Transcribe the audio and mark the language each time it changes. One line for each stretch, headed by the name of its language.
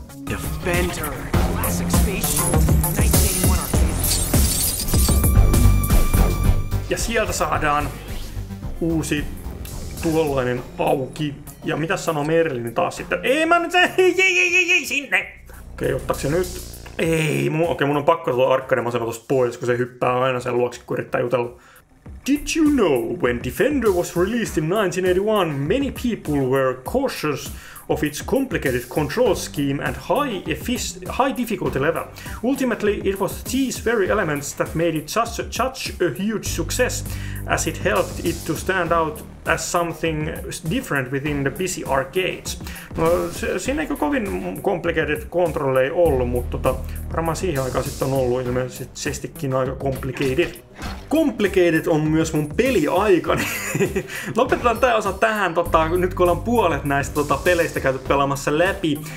English: Defender, classic spaceship, 1981 arcade.
Finnish: Ja sieltä saadaan uusi tuollainen auki. Ja mitä sanoo Merlin taas sitten? Ei mä nyt ei sinne! Okei, ottaako se nyt? Ei, mun on pakko tulla arcade-masena tosta pois, kun se hyppää aina sen luokse, kun yrittää jutella.
English: Did you know, when Defender was released in 1981, many people were cautious of its complicated control scheme and high difficulty level. Ultimately, it was these very elements that made it such a huge success, as it helped it to stand out as something different within the busy arcades.
Finnish: No, siinä eikö kovin
English: complicated control
Finnish: ei ollut, mutta varmaan siihen aikaan sitten on ollut ilmeisestikin aika complicated. Complicated on myös mun peliaikani. Lopetetaan tää osa tähän, nyt kun ollaan puolet näistä peleistä käyty pelaamassa läpi.